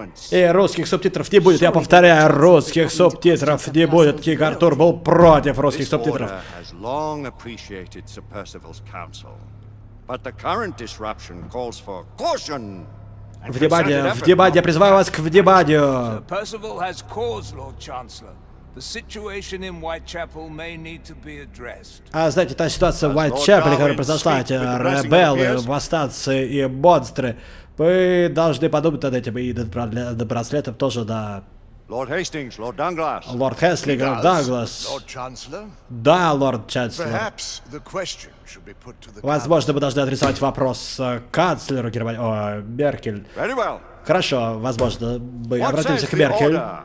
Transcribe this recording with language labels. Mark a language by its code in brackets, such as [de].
[ru] И русских субтитров не будет, я повторяю, русских субтитров не будет. Кинг Артур был против русских субтитров. В дебаде, призываю вас к дебадию. [en] Персиваль has cause, Lord Chancellor. The situation in Whitechapel may need to be addressed. [ru] А знаете, та ситуация в Whitechapel, которая произошла, эти ребелы, восстанцы и монстры, вы должны подумать над этим, и над браслетом тоже, да. [en] Lord Hastings, Lord Dunglass. Lord Hastings, Lord Dunglass. Lord Chancellor. [ru] Да, Lord Chancellor. [en] Perhaps the question should be put to the. [ru] Возможно, мы должны адресовать вопрос канцлеру Германии, о, Меркель. [en] Very well. [ru] Хорошо, возможно, мы обратимся к Меркель.